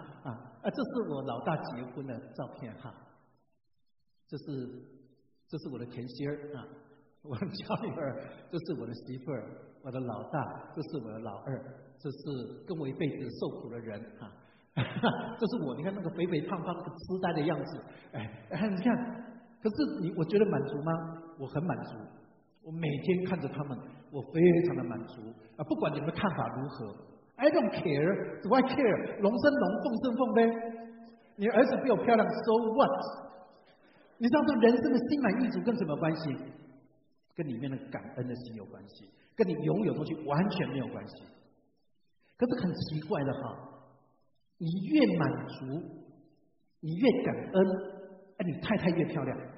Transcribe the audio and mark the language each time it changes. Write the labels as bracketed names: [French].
[Chinese] 啊，这是我老大结婚的照片哈。这是我的甜心儿啊，我的娇女儿，这是我的媳妇儿，我的老大，这是我的老二，这是跟我一辈子受苦的人啊。这是我，你看那个肥肥胖胖、那个痴呆的样子，哎，你看，可是你，我觉得满足吗？我很满足，我每天看着他们，我非常的满足啊！不管你们的看法如何 [English] ，I don't care, do I care? [Chinese] 龙生龙，凤生凤呗。你儿子比我漂亮 ， [English] so what? [Chinese] 你知道说人生的心满意足跟什么关系？跟里面的感恩的心有关系，跟你拥有东西完全没有关系。可是很奇怪的哈。你越满足，你越感恩，哎，你太太越漂亮。